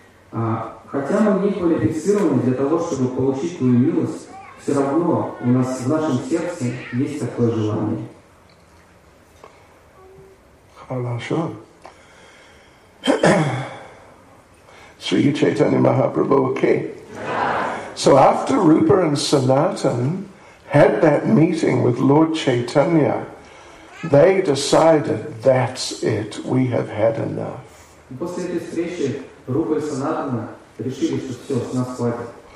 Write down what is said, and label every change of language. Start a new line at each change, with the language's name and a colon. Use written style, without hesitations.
Russian: Хотя мы не квалифицированы для того, чтобы получить твою милость, все равно у нас в нашем сердце есть такое желание». Хорошо. Шри Чайтанья Махапрабху, окей.
English: So after Rupa and Sanatan had that meeting with Lord Chaitanya, they decided, that's it, we have had enough.
Russian: После этой встречи Рупа и Санатана решили, что все, с нас хватит.